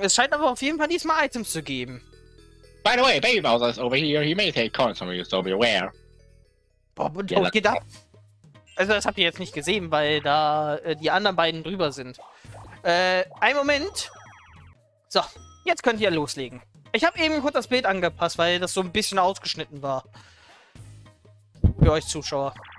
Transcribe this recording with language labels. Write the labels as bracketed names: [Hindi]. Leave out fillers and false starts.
[German] Es scheint aber auf jeden Fall diesmal Items zu geben. [English] By the way, Baby Bowser is over here. He may take coins from you, so be aware. [German] Bob und Toad, geht ab. Also das habt ihr jetzt nicht gesehen, weil da die anderen beiden drüber sind. Ein Moment. So, jetzt könnt ihr loslegen. Ich habe eben kurz das Bild angepasst, weil das so ein bisschen ausgeschnitten war. Für euch Zuschauer.